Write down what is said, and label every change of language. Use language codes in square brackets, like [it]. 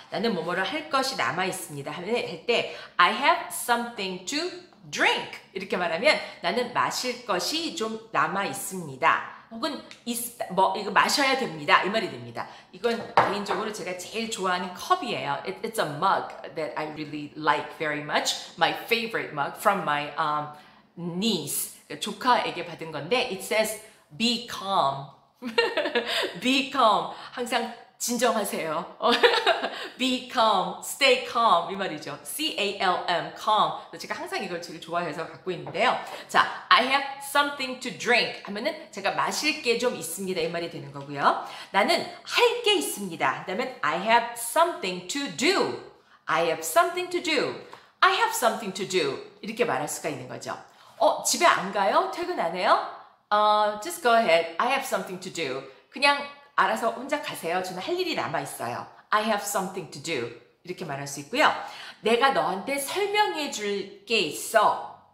[ko] 나는 뭐뭐를 할 것이 남아 있습니다 하면 할 때 [en] I have something to drink [ko] 이렇게 말하면 나는 마실 것이 좀 남아 있습니다 혹은 이거 마셔야 됩니다 이 말이 됩니다. 이건 개인적으로 제가 제일 좋아하는 컵이에요. [en] It's a mug that I really like very much. My favorite mug from my niece. [ko] 그러니까 조카에게 받은 건데 [en] It says be calm. be calm. [ko] 항상 진정하세요. [en] be calm. stay calm. [ko] 이 말이죠. [en] C-A-L-M. calm. [ko] 제가 항상 이걸 제일 좋아해서 갖고 있는데요. [en] 자, I have something to drink. [ko] 하면은 제가 마실 게 좀 있습니다. 이 말이 되는 거고요. 나는 할 게 있습니다. 그다음에 [en] I have something to do. I have something to do. I have something to do. [ko] 이렇게 말할 수가 있는 거죠. 집에 안 가요? 퇴근 안 해요? [en] Just go ahead. I have something to do. [ko] 그냥 알아서 혼자 가세요. 저는 할 일이 남아있어요. [en] I have something to do. [ko] 이렇게 말할 수 있고요. 내가 너한테 설명해 줄 게 있어.